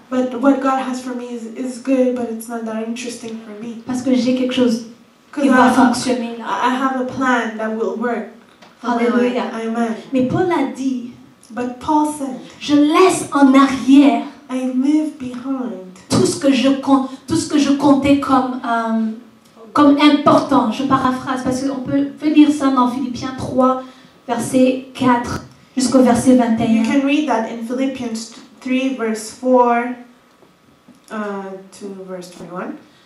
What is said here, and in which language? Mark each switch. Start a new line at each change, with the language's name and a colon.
English: But what God has for me is good, but it's not that interesting for me.
French: Parce que j'ai quelque chose qui va fonctionner.
English: I have a plan that will work. Hallelujah. Amen.
French: Mais Paul a dit.
English: But Paul said.
French: Je laisse en arrière.
English: I leave behind.
French: Tout ce que je comptais comme comme important. Je paraphrase parce qu'on peut lire ça dans Philippiens 3, verset 4. Jusqu'au verset 21.
English: You can read that in Philippians 3, verse 4 to verse 21.